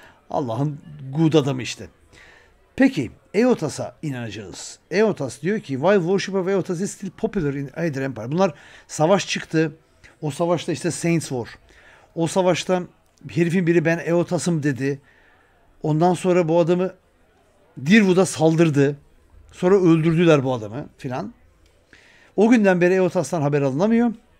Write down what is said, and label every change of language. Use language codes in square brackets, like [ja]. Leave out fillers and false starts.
[tr] Allah'ın good adamı işte. Peki Eotas'a inanacağız. Eotas diyor ki [en] while worship of Eotas is still popular in Aether Empire. [tr] Bunlar savaş çıktı. O savaşta işte Saints War. O savaşta herifin biri ben Eotas'ım dedi. Ondan sonra bu adamı Deerwood'a saldırdı. Sonra öldürdüler bu adamı filan. O günden beri Eotas'tan haber alınamıyor.